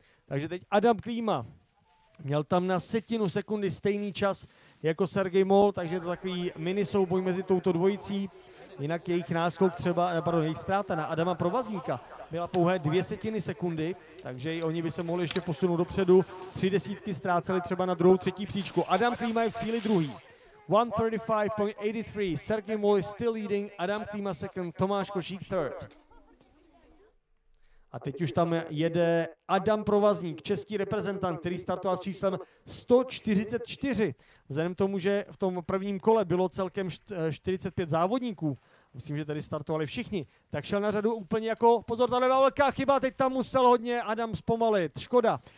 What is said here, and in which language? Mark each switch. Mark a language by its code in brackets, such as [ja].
[cs] Takže teď Adam Klíma měl tam na setinu sekundy stejný čas jako Sergej Moll, takže to takový mini souboj mezi touto dvojicí. Jinak jejich náskok třeba, pardon, jejich ztráta na Adama Provazníka byla pouhé 0,2 sekundy, takže i oni by se mohli ještě posunout dopředu. 0,3 sekundy ztráceli třeba na druhou, třetí příčku. Adam Klíma je v cíli druhý. [en] 135.83, Sergej Moll is still leading, Adam Klíma second, Tomáš Košík third. [cs] A teď už tam jede Adam Provazník, český reprezentant, který startoval s číslem 144. Vzhledem tomu, že v tom prvním kole bylo celkem 45 závodníků, myslím, že tady startovali všichni, tak šel na řadu úplně jako, pozor, tady byla velká chyba, teď tam musel hodně Adam zpomalit, škoda.